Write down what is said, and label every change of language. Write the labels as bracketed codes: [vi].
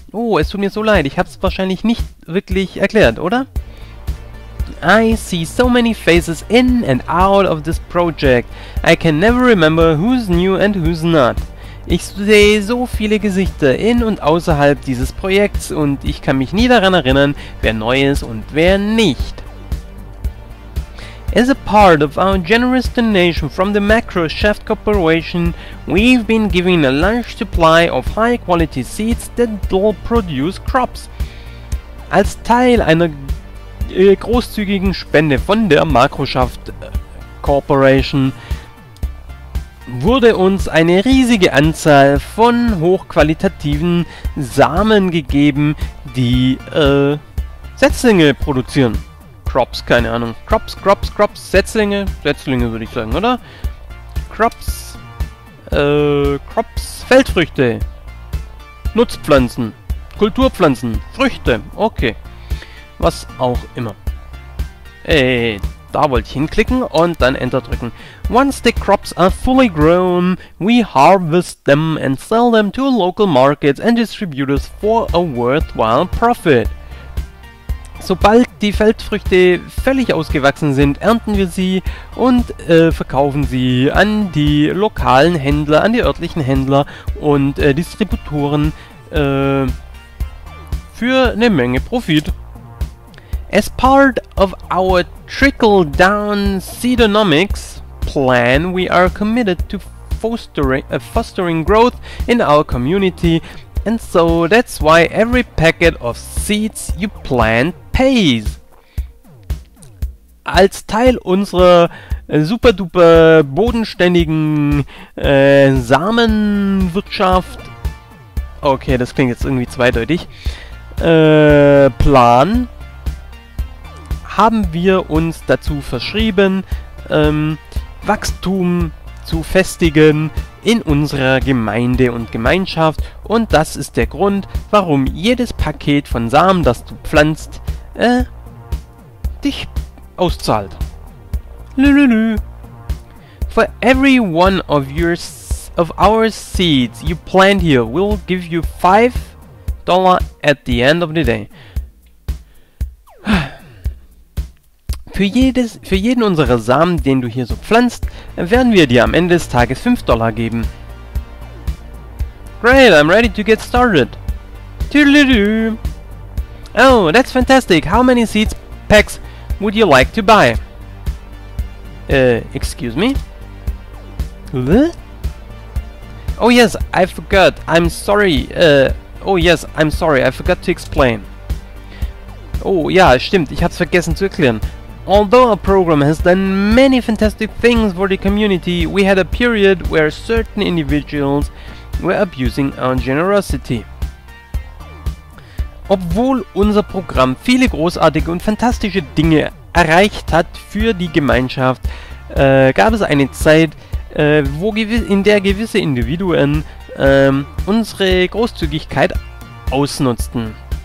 [de] Oh, es tut mir so leid, ich hab's wahrscheinlich nicht wirklich erklärt, oder? [en] I see so many faces in and out of this project. I can never remember who's new and who's not. [de] Ich sehe so viele Gesichter in und außerhalb dieses Projekts und ich kann mich nie daran erinnern, wer neu ist und wer nicht. [en] As a part of our generous donation from the Macro Shaft Corporation, we've been giving a large supply of high-quality seeds that will produce crops. [de] Als Teil einer großzügigen Spende von der Macro Shaft Corporation wurde uns eine riesige Anzahl von hochqualitativen Samen gegeben, die Setzlinge produzieren. Crops, keine Ahnung. Crops, Setzlinge. Setzlinge würde ich sagen, oder? Crops, Feldfrüchte. Nutzpflanzen. Kulturpflanzen. Früchte. Okay. Was auch immer. Da wollte ich hinklicken und dann Enter drücken. [en] Once the crops are fully grown, we harvest them and sell them to local markets and distributors for a worthwhile profit. [de] Sobald die Feldfrüchte völlig ausgewachsen sind, ernten wir sie und verkaufen sie an die lokalen Händler, an die örtlichen Händler und Distributoren für eine Menge Profit. [en] As part of our trickle-down seedonomics plan, we are committed to fostering growth in our community, and so that's why every packet of seeds you plant pays. [de] Als Teil unserer super-duper bodenständigen Samenwirtschaft, okay, das klingt jetzt irgendwie zweideutig, Plan, haben wir uns dazu verschrieben, Wachstum zu festigen in unserer Gemeinde und Gemeinschaft. Und das ist der Grund, warum jedes Paket von Samen, das du pflanzt, dich auszahlt. Lülülü. [en] For every one of our seeds you plant here, we'll give you $5 at the end of the day. [de] Für jeden unserer Samen, den du hier so pflanzt, werden wir dir am Ende des Tages $5 geben. [en] Great, I'm ready to get started. Toodaloo. Oh, that's fantastic. How many seeds packs would you like to buy? Excuse me? Oh yes, I forgot. I'm sorry. I forgot to explain. [de] Oh ja, stimmt. Ich hab's vergessen zu erklären. [en] Although our program has done many fantastic things for the community, we had a period where certain individuals were abusing our generosity. [de] Obwohl unser Programm viele großartige und fantastische Dinge erreicht hat für die Gemeinschaft, gab es eine Zeit, in der gewisse Individuen unsere Großzügigkeit ausnutzten.